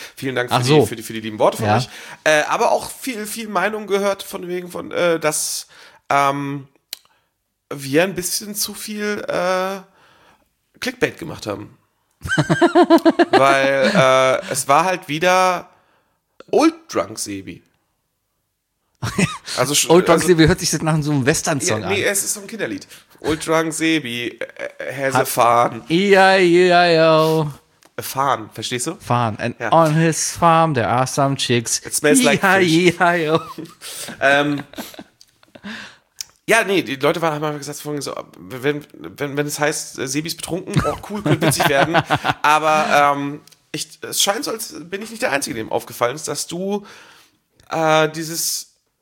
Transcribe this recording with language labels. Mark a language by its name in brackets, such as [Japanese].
[German] Vielen Dank für die lieben Worte von euch. Aber auch viel Meinung gehört dass wir ein bisschen zu viel Clickbait gemacht haben. Weil es war halt wieder Old Drunk Sebi. Also Old Drunk Sebi hört sich das nach so einem Western-Song an. Nee, es ist so ein Kinderlied. [English] Old Drunk Sebi has a farm. E-I-E-I-O. A farm, [German] verstehst du? Farm. [English] And on his farm there are some chicks. It smells like fish. E-I-E-I-O. [German] Ja, nee, die Leute haben einfach gesagt, vorhin so, wenn es heißt, Sebi ist betrunken, oh cool, könnte witzig werden. Aber es scheint so, als bin ich nicht der Einzige, dem aufgefallen ist, dass du dieses